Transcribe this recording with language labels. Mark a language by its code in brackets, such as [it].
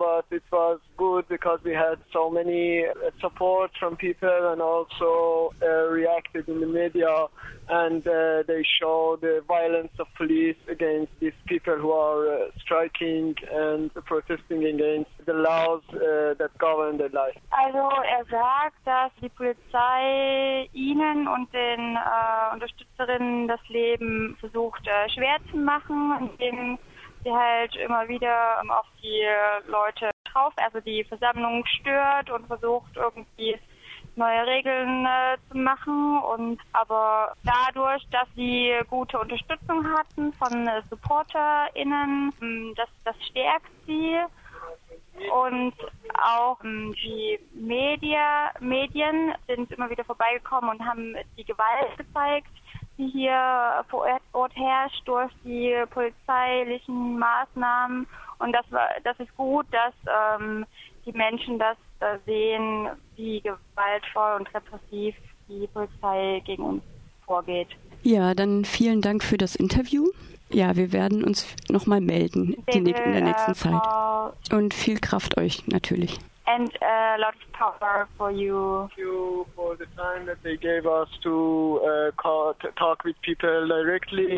[en] But it was good because we had so many support from people, and also reacted in the media, and they showed the violence of police against these people who are striking and protesting against the laws that govern their life. [de] Also er sagt, dass die Polizei ihnen und den Unterstützerinnen das Leben versucht schwer zu machen, indem sie halt immer wieder auf die Leute drauf, also die Versammlung stört und versucht irgendwie neue Regeln zu machen. Und aber dadurch, dass sie gute Unterstützung hatten von SupporterInnen, das stärkt sie. Und auch die Medien sind immer wieder vorbeigekommen und haben die Gewalt gezeigt, die hier vor Ort herrscht durch die polizeilichen Maßnahmen. Und das ist gut, dass die Menschen das sehen, wie gewaltvoll und repressiv die Polizei gegen uns vorgeht. Ja, dann vielen Dank für das Interview. Ja, wir werden uns nochmal melden in der nächsten Zeit. Und viel Kraft euch natürlich. [en] And a lot of power for you. Thank you for the time that they gave us to talk with people directly.